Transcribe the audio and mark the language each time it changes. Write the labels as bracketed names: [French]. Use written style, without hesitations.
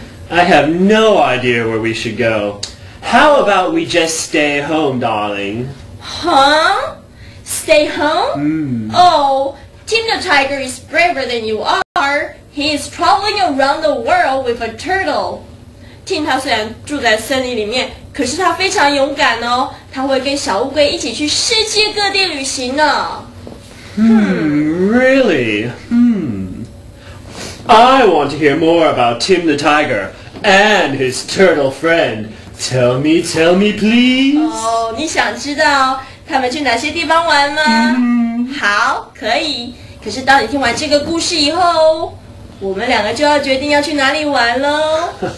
[English] I have no idea where we should go. How about we just stay home, darling? Huh? Stay home? Timmy the Tiger is braver than you are. He is traveling around the world with a turtle. [Chinese] Tim 他虽然住在森林里面,可是他非常勇敢哦, 他会跟小乌龟一起去世界各地旅行呢. [English] Really? I want to hear more about Tim the Tiger and his turtle friend. Tell me, please. [Chinese] 你想知道他们去哪些地方玩吗? 好,可以。可是当你听完这个故事以后, 我们两个就要决定要去哪里玩咯。